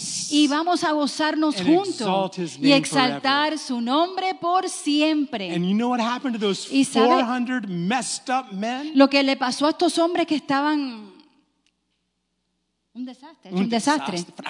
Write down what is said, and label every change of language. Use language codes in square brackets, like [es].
[es] Y vamos a gozarnos juntos y exaltar su nombre por siempre. [en] And you know what happened to those 400 messed up men? [es] Lo que le pasó a estos hombres que estaban un desastre.